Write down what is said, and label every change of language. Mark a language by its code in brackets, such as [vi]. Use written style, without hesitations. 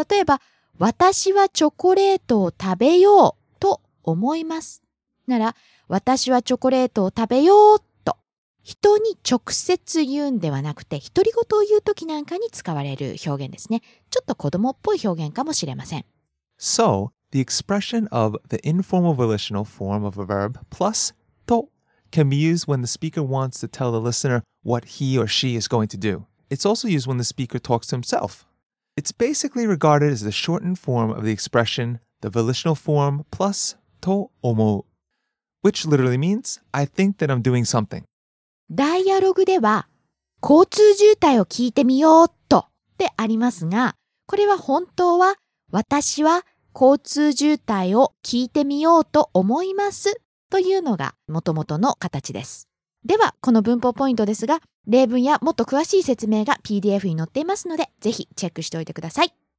[ja] 例えば、私はチョコレートを食べようと思います。なら、私はチョコレートを食べようと。人に直接言うんではなくて、独り言を言うときなんかに使われる表現ですね。ちょっと子供っぽい表現かもしれません。 [en] So, the expression of the informal volitional form of a verb plus とcan be used when the speaker wants to tell the listener what he or she is going to do. It's also used when the speaker talks to himself. It's basically regarded as the shortened form of the expression, the volitional form plus to omou, which literally means, I think that I'm doing something. [ja] ダイアログでは、交通渋滞を聞いてみようとってありますが、これは本当は、私は交通渋滞を聞いてみようと思いますというのが元々の形です。では、この文法ポイントですが、例文やもっと詳しい説明が PDF に載っていますので、ぜひチェックしておいてください。